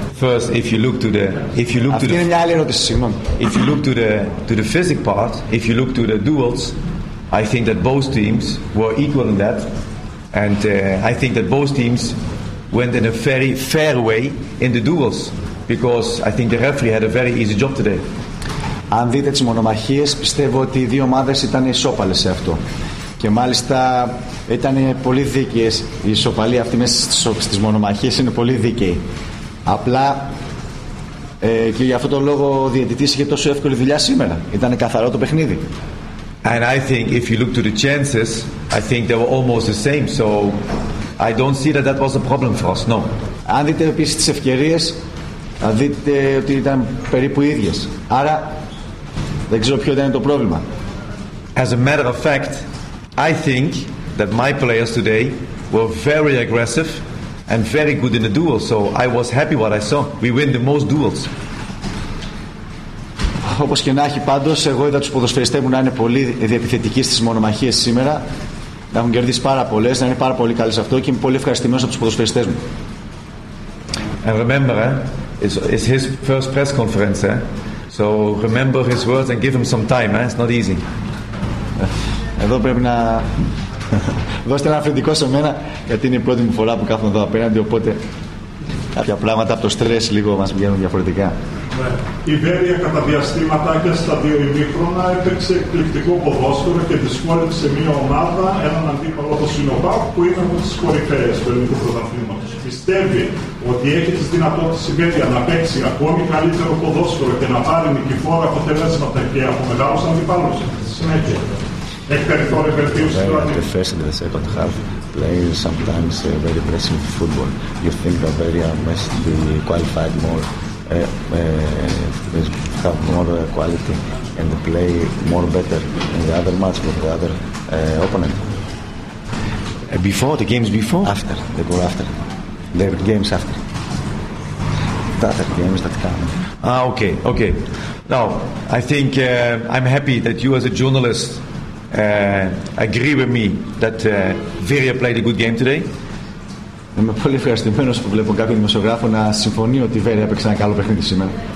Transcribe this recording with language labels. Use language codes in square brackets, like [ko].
[en] First, if you look to the physical part, if you look to the duels, I think that both teams were equal in that, and I think that both teams went in a very fair way in the duels, because I think the referee had a very easy job today. [el] Αν δείτε τις μονομαχίες, πιστεύω ότι οι δύο ομάδες ήταν ισόπαλες σε αυτό. Και μάλιστα ήταν πολύ δίκαιες οι ισοπαλοί αυτοί μέσα στις μονομαχίες, είναι πολύ δίκαιοι. Απλά και για αυτόν τον λόγο ο διαιτητής είχε τόσο εύκολη δουλειά σήμερα. Ήταν καθαρό το παιχνίδι. [en] And I think if you look to the chances, I think they were almost the same. So I don't see that that was a problem for us, no. [el] Αν δείτε επίσης τις ευκαιρίες, θα δείτε ότι ήταν περίπου ίδιες. Άρα δεν ξέρω ποιο ήταν το πρόβλημα. [en] As a matter of fact, I think that my players today were very aggressive and very good in the duels. So I was happy what I saw. We win the most duels. [el] Όπως και να έχει πάντως, εγώ είδα τους ποδοσφαιριστές μου να είναι πολύ διεπιθετικοί στις μονομαχίες σήμερα. Να έχουν κερδίσει πάρα πολλές, να είναι πάρα πολύ καλές αυτό και είμαι πολύ ευχαριστημένος από τους ποδοσφαιριστές μου. [en] And remember, it's his first press conference. So remember his words and give him some time. It's not easy. [el] Εδώ πρέπει να δώσετε ένα αφεντικό σε μένα, γιατί είναι η πρώτη μου φορά που κάθομαι εδώ απέναντι, οπότε κάποια πράγματα από το στρες λίγο μας βγαίνουν διαφορετικά. Η Βέλγια κατά διαστήματα και στα δύο ημίχρονα έπαιξε εκπληκτικό ποδόσφαιρο και δυσκόλεψε μια ομάδα, έναν αντίπαλο όπως είναι ο ΠΑΟΚ, που είναι από τις κορυφαίες του ελληνικού πρωταθλήματος. Πιστεύει ότι έχει τις δυνατότητες η Βέλγια να παίξει ακόμη καλύτερο ποδόσφαιρο και να πάρει νικηφόρα αποτελέσματα και από μεγάλους αντιπάλους στη συνέχεια? [en] The first and the second half players sometimes very pressing football. You think that Bavaria must be qualified more, have more quality and play more better in the other match with the other opponent. Before the games, before? After. They go after. Their games after. The other games that come. Ah, okay, okay. Now, I think I'm happy that you as a journalist agree with me that Viria played a good game today. [el] Είμαι πολύ ευχαριστημένος που βλέπω κάποιον δημοσιογράφο να συμφωνεί ότι η Viria έπαιξε ένα καλό παιχνίδι σήμερα.